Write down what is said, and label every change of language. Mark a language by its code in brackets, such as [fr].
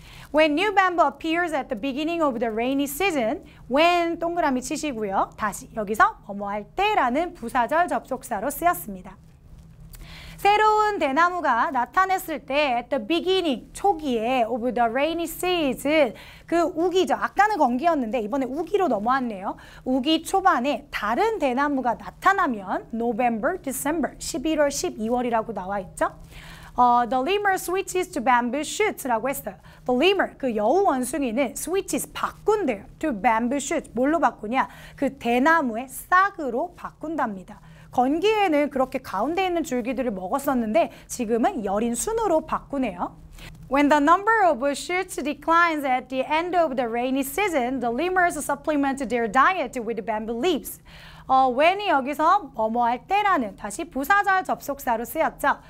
[en] When new bamboo appears at the beginning of the rainy season, when [ko] 동그라미 치시고요. 다시 여기서 뭐뭐할 때라는 부사절 접속사로 쓰였습니다. 새로운 대나무가 나타냈을 때 [en] at the beginning, [ko] 초기에 [en] of the rainy season, [ko] 그 우기죠. 아까는 건기였는데 이번에 우기로 넘어왔네요. 우기 초반에 다른 대나무가 나타나면 November, December, 11월, 12월이라고 나와있죠. [en] The lemur switches to bamboo shoots [ko] 라고 했어요. [en] The lemur, [ko] 그 여우 원숭이는 [en] switches, [ko] 바꾼대요. [en] To bamboo shoots, [ko] 뭘로 바꾸냐? 그 대나무의 싹으로 바꾼답니다. 건기에는 그렇게 가운데 있는 줄기들을 먹었었는데 지금은 여린 순으로 바꾸네요. [en] When the number of shoots declines at the end of the rainy season, the lemurs supplement their diet with bamboo leaves. [ko] When이 여기서 뭐뭐할 때라는 다시 부사절 접속사로 쓰였죠.